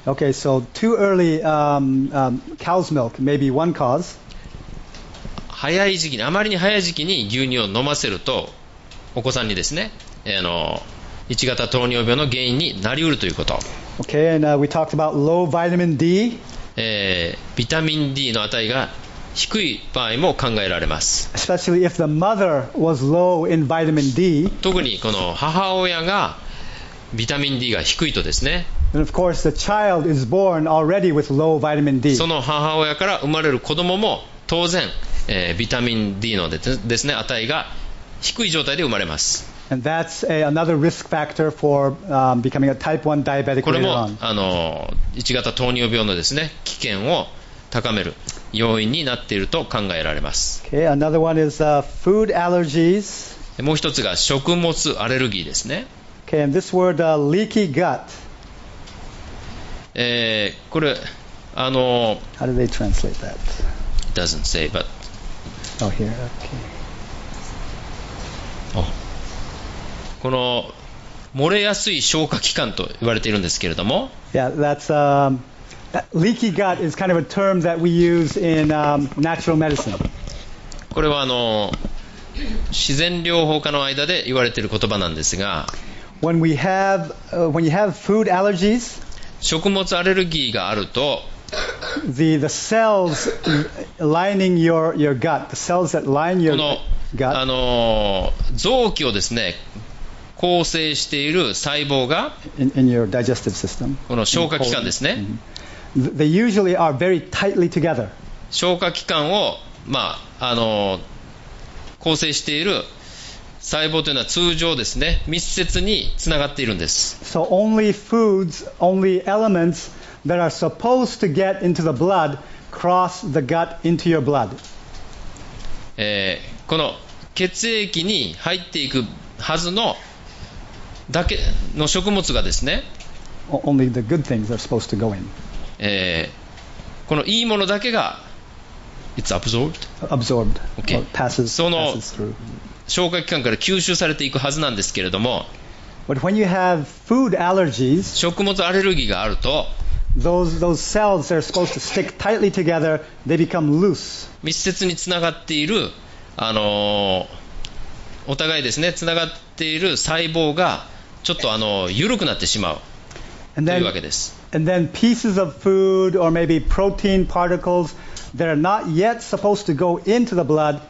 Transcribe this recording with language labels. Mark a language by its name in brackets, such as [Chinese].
[English] OK, so too early cow's milk may be one cause. [Japanese] 早い時期に、あまりに早い時期に牛乳を飲ませるとお子さんにですね、1型糖尿病の原因になりうるということ。 [English] OK, and we talked about low vitamin D. [Japanese] ビタミン D の値が低い場合も考えられます。 [English] Especially if the mother was low in vitamin D. [Japanese] 特にこの母親がビタミン D が低いとですね、 [English] And of course the child is born already with low vitamin D. [Japanese] その母親から生まれる子供も当然、ビタミン D のですね、値が低い状態で生まれます。 [English] And that's another risk factor for becoming a type 1 diabetic later on. [Japanese] これも1型糖尿病のですね、危険を高める要因になっていると考えられます。 [English] Okay, another one is food allergies. [Japanese] もう一つが食物アレルギーですね。 [English] Okay, and this word, leaky gut. [Japanese] これ、 [English] How do they translate that? It doesn't say, but... Oh, here, okay. Oh. [Japanese] この漏れやすい消化器官と言われているんですけれども。 [English] Yeah, that's... That leaky gut is kind of a term that we use in natural medicine. [Japanese] これはあの自然療法家の間で言われている言葉なんですが、 [English] when you have food allergies, [Japanese] 食物アレルギーがあると、 [English] the cells lining your gut, the cells that line your gut, [Japanese] あの臓器をですね、構成している細胞が、 [English] in your digestive system, [Japanese] この消化器官ですね、 [English] they usually are very tightly together. [Japanese] 消化器官を、まあ、あの構成している細胞というのは通常ですね、密接につながっているんです。 [English] So only foods, only elements that are supposed to get into the blood cross the gut into your blood. [Japanese] この血液に入っていくはずのだけの食物がですね、 [English] only the good things are supposed to go in. [Japanese] このいいものだけが [English] It's absorbed. Absorbed. Okay. Passes, [Japanese] その消化器官から吸収されていくはずなんですけれども、 [English] But when you have food allergies, [Japanese] 食物アレルギーがあると、 [English] those cells that are supposed to stick tightly together, they become loose. [Japanese] 密接につながっているお互いですね、つながっている細胞がちょっと緩くなってしまうというわけです。 [English] And then pieces of food or maybe protein particles that are not yet supposed to go into the blood.